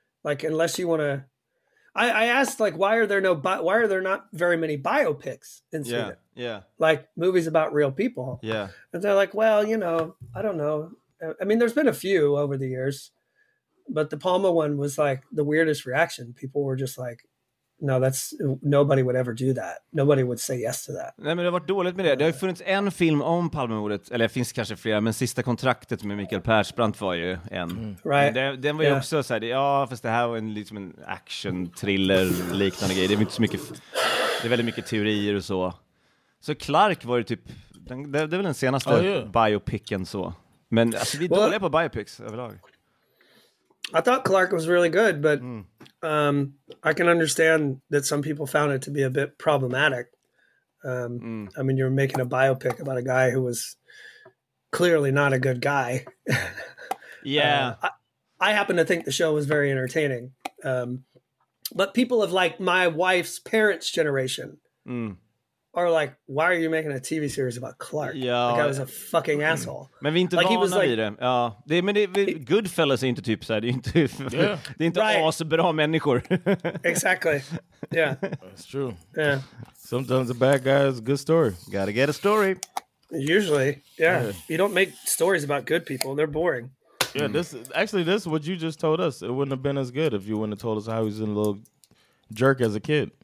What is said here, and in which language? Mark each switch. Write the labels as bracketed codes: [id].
[en] Like, unless you want to, I asked, like, why are there not very many biopics in Sweden? Yeah, yeah. Like movies about real people. Yeah. And they're like, well, you know, I don't know. I mean, there's been a few over the years, but the Palme one was like the weirdest reaction. People were just like, no, that's, nobody would ever do that. Nobody would say yes to that. [sv] Nej, men det har varit dåligt med det. Det har ju funnits en film om Palmemordet, eller det finns kanske flera, men Sista kontraktet med Mikael Persbrandt var ju en. [en] Mm. Right. [sv] Den var ju också så här, ja, fast det här var en liksom en action thriller liknande grej. Det är inte så mycket, det är väldigt mycket teorier och så. Så Clark var ju typ, det är väl den senaste biopicken så. Men alltså, vi är dåliga på biopics överlag. [en] I thought Clark was really good, but I can understand that some people found it to be a bit problematic. I mean, you're making a biopic about a guy who was clearly not a good guy. Yeah. I happen to think the show was very entertaining. But people of like my wife's parents' generation are like, why are you making a TV series about Clark? [sv] Ja, [en] the guy was a fucking asshole. [sv] Men vi är inte like, vana vid det. Ja, det, men det, Goodfellas är inte typ så här. Det är inte asbra människor. [en] Exactly. Yeah. That's true. Yeah. Sometimes a bad guy is a good story. Gotta get a story. Usually, yeah. You don't make stories about good people. They're boring. Yeah, this is what you just told us. It wouldn't have been as good if you wouldn't have told us how he's a little jerk as a kid.